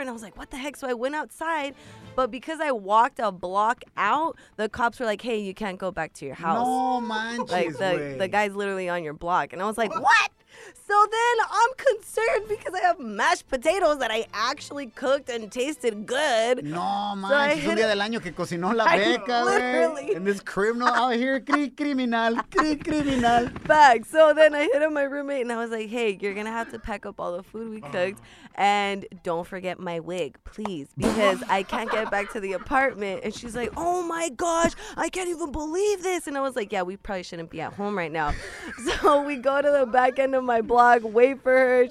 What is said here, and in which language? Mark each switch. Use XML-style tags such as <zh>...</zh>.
<en>And I was like, what the heck? So I went outside. But because I walked a block out, the cops were like, hey, you can't go back to your house. No, man. Like, the guy's literally on your block. And I was like, what? So then I'm concerned because I have mashed potatoes that I actually cooked and tasted good. No, man.</en> <es>So es un día del año que cocinó la Becca,</es> <en>literally. And this criminal out here, criminal. Back. So then I hit up my roommate and I was like, hey, you're going to have to pack up all the food we cooked. And don't forget my wig, please, because I can't get back to the apartment. And she's like, oh, my gosh, I can't even believe this. And I was like, yeah, we probably shouldn't be at home right now. So we go to the back end of my block, wait for her.</en>